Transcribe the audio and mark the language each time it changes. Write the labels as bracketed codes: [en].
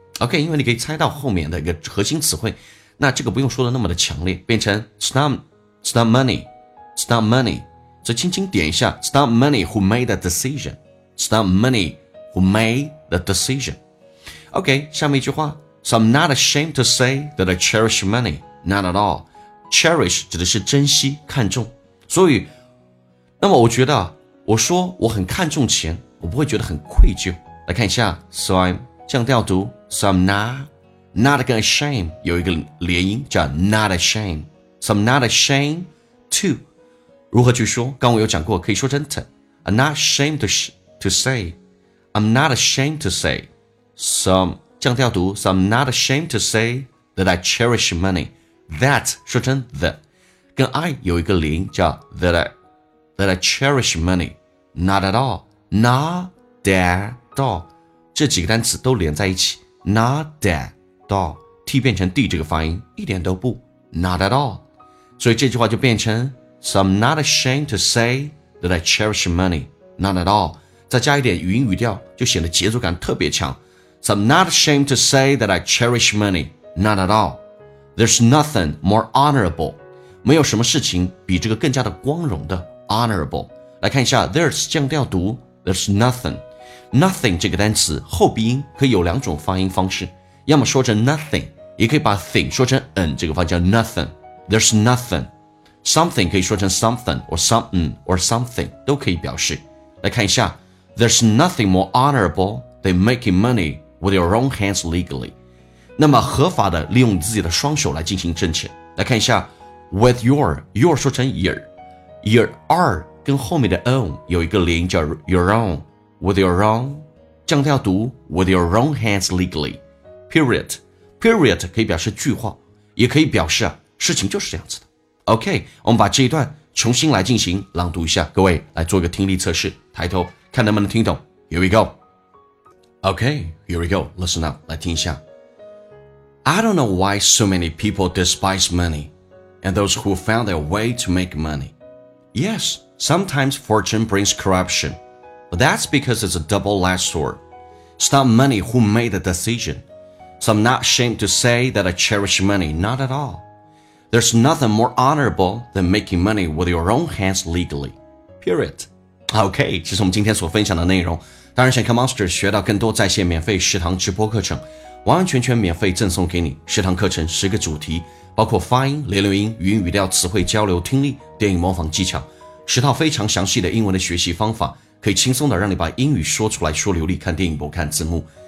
[zh] OK, 因为你可以猜到后面的一个核心词汇，那这个不用说的那么的强烈，变成 it's not money, 所以轻轻点一下 [en] it's not money who made the decision. OK, [zh] 下面一句话 [en] So I'm not ashamed to say that I cherish money, not at all. [zh] Cherish 指的是珍惜看重，所以那么我觉得我说我很看重钱，我不会觉得很愧疚。来看一下 [en] So I'm降调读 So I'm not gonna shame, [zh] 有一个连音叫 [en] not ashamed. So I'm not ashamed to, 如何去说，刚我有讲过可以说成 to. I'm not ashamed to say. I'm not ashamed to say. So, [zh] 降调读 [en] So I'm not ashamed to say that I cherish money. That 说成 the. 跟 I [zh] 有一个连音叫 [en] that I cherish money. Not at all. Not at all. [zh] 这几个单词都连在一起 Not at all, T 变成 D 这个发音一点都不 Not at all, 所以这句话就变成 [en] So I'm not ashamed to say that I cherish money. Not at all. [zh] 再加一点语音语调就显得节奏感特别强。 [en] So I'm not ashamed to say that I cherish money. Not at all. There's nothing more honorable. [zh] 没有什么事情比这个更加的光荣的 honorable。来看一下 there's 降调读 there's nothing。Nothing 这个单词后鼻音可以有两种发音方式，要么说成 nothing， 也可以把 thing 说成 n， 这个发音叫 nothing。 [en] There's nothing。 Something 可以说成 something or something or something 都可以表示。 [zh] 来看一下 [en] ，There's nothing more honorable than making money with your own hands legally。 [zh] 那么合法的利用自己的双手来进行挣钱。来看一下 ，with your 说成 your are 跟后面的 own 有一个连叫 your own。 [en] With your own, 降调读 with your own hands legally. [zh] Period. Period 可以表示句话，也可以表示啊，事情就是这样子的。 OK, 我们把这一段重新来进行朗读一下，各位来做一个听力测试，抬头看能不能听懂。 [en] Here we go. OK, here we go. Listen up, [zh] 来听一下。 [en] I don't know why so many people despise money and those who found their way to make money. Yes, sometimes fortune brings corruption. But that's because it's a double-edged sword. It's not money who made the decision. So I'm not ashamed to say that I cherish money, not at all. There's nothing more honorable than making money with your own hands legally. [zh] Period. Okay, 这是我们今天所分享的内容。当然想看 Monster 学到更多在线免费食堂直播课程，完完全全免费赠送给你。食堂课程十个主题，包括发音、连留音、语音语调、词汇交流、听力、电影模仿技巧，十套非常详细的英文的学习方法，可以轻松的让你把英语说出来，说流利，看电影不看字幕。